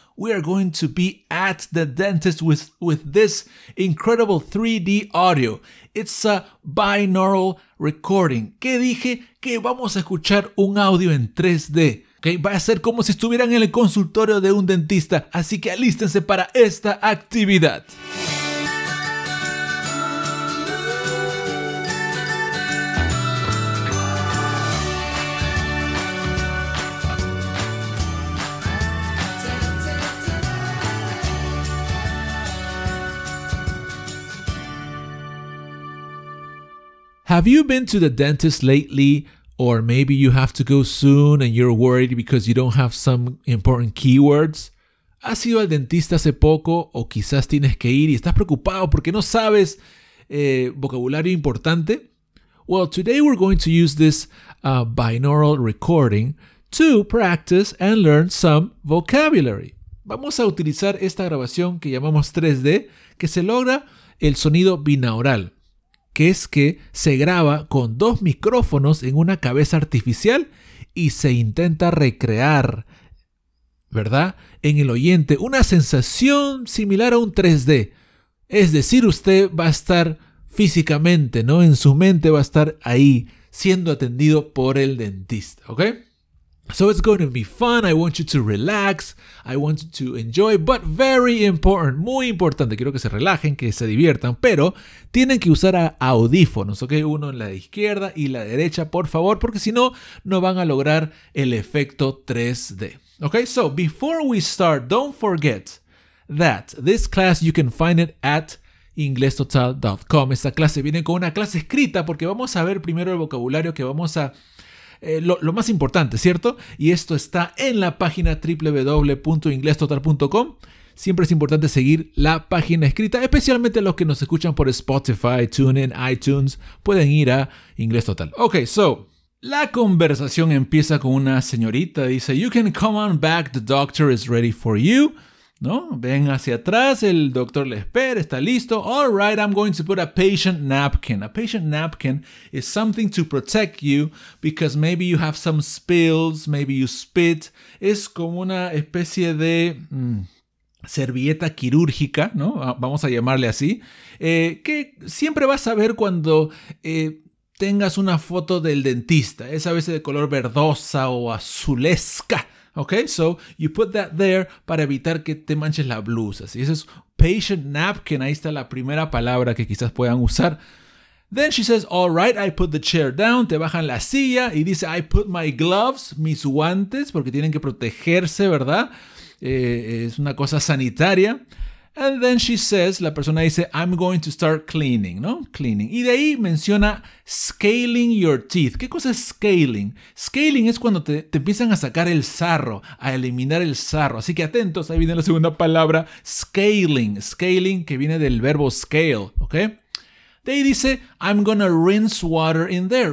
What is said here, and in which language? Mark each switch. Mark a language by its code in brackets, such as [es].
[en] We are going to be at the dentist with this incredible 3D audio. It's a binaural recording. [es] ¿Qué dije? Que vamos a escuchar un audio en 3D. Okay? Va a ser como si estuvieran en el consultorio de un dentista. Así que alístense para esta actividad. [en] Have you been to the dentist lately, or maybe you have to go soon and you're worried because you don't have some important keywords? [es] ¿Has ido al dentista hace poco o quizás tienes que ir y estás preocupado porque no sabes vocabulario importante? [en] Well, today we're going to use this binaural recording to practice and learn some vocabulary. [es] Vamos a utilizar esta grabación que llamamos 3D, que se logra el sonido binaural, que es que se graba con dos micrófonos en una cabeza artificial y se intenta recrear, ¿verdad?, en el oyente una sensación similar a un 3D. Es decir, usted va a estar físicamente, ¿no?, en su mente va a estar ahí siendo atendido por el dentista, ¿ok? [en] So it's going to be fun, I want you to relax, I want you to enjoy, but very important, [es] muy importante, quiero que se relajen, que se diviertan, pero tienen que usar audífonos, [en] ¿ok? [es] Uno en la izquierda y la derecha, por favor, porque si no, no van a lograr el efecto 3D. [en] Ok, so before we start, don't forget that this class, you can find it at inglestotal.com. [es] Esta clase viene con una clase escrita porque vamos a ver primero el vocabulario que vamos a... Lo más importante, ¿cierto? Y esto está en la página www.inglestotal.com. Siempre es importante seguir la página escrita, especialmente los que nos escuchan por Spotify, TuneIn, iTunes, pueden ir a Inglés Total. [en] Ok, so, [es] la conversación empieza con una señorita, dice, [en] you can come on back, the doctor is ready for you. ¿No? [es] Ven hacia atrás, el doctor le espera, está listo. [en] All right, I'm going to put a patient napkin. A patient napkin is something to protect you because maybe you have some spills, maybe you spit. [es] Es como una especie de servilleta quirúrgica, ¿no? Vamos a llamarle así. Que siempre vas a ver cuando tengas una foto del dentista. Es a veces de color verdosa o azulesca. [en] Okay, so you put that there [es] para evitar que te manches la blusa. Si ese es patient napkin, ahí está la primera palabra que quizás puedan usar. [en] Then she says, all right, I put the chair down. [es] Te bajan la silla y dice, [en] I put my gloves, [es] mis guantes, porque tienen que protegerse, ¿verdad? Es una cosa sanitaria. [en] And then she says, [es] la persona dice, [en] I'm going to start cleaning, ¿no? [es] Cleaning. Y de ahí menciona [en] scaling your teeth. [es] ¿Qué cosa es scaling? Scaling es cuando te empiezan a sacar el sarro, a eliminar el sarro. Así que atentos, ahí viene la segunda palabra, scaling. Scaling, que viene del verbo scale, ¿ok? De ahí dice, [en] I'm gonna rinse water in there.